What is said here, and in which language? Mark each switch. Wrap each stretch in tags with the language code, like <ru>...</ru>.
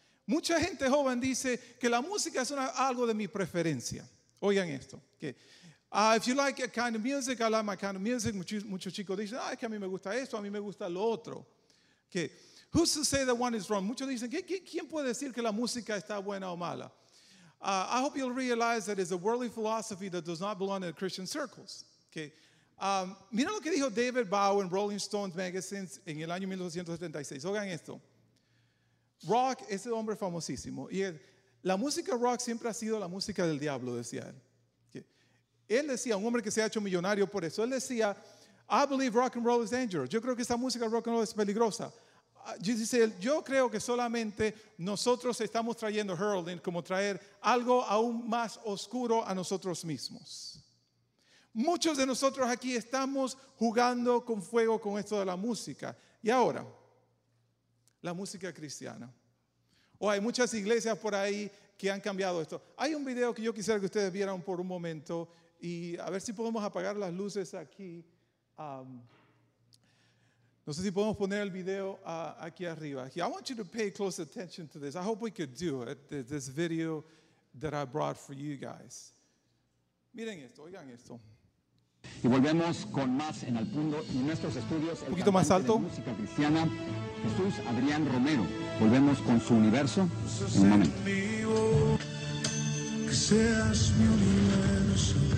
<es>Mucha gente joven dice que la música es algo de mi preferencia. Oigan esto.</es> <en>If you like a kind of music, I like my kind of music.</en> <es>Muchos chicos dicen, es que a mí me gusta esto, a mí me gusta lo otro.</es> <en>Who's to say that one is wrong?</en> <es>Muchos dicen, ¿quién puede decir que la música está buena o mala?</es> <en>I hope you'll realize that it's a worldly philosophy that does not belong in Christian circles.</en> <es>Mira lo que dijo David Bowie en Rolling Stones magazine en el año 1976. Oigan esto. Rock, ese hombre famosísimo. Y la música rock siempre ha sido la música del diablo, decía él. Él decía, un hombre que se ha hecho millonario por eso. Él decía,</es> <en>I believe rock and roll is dangerous.</en> <es>Yo creo que esa música rock and roll es peligrosa. Dice, yo creo que solamente nosotros estamos trayendo heralding, como traer algo aún más oscuro a nosotros mismos. Muchos de nosotros aquí estamos jugando con fuego con esto de la música. Y ahora, la música cristiana. Hay muchas iglesias por ahí que han cambiado esto. Hay un video que yo quisiera que ustedes vieran por un momento y a ver si podemos apagar las luces aquí. No sé si podemos poner el video aquí arriba.</es> <en>I want you to pay close attention to this. I hope we could do it, this video that I brought for you guys.</en> <es>Miren esto, oigan esto. Y volvemos con más en Al Punto y nuestros estudios. Un poquito más alto. Música cristiana, Jesús Adrián Romero. Volvemos con su universo en un momento. Que seas mi universo.</es>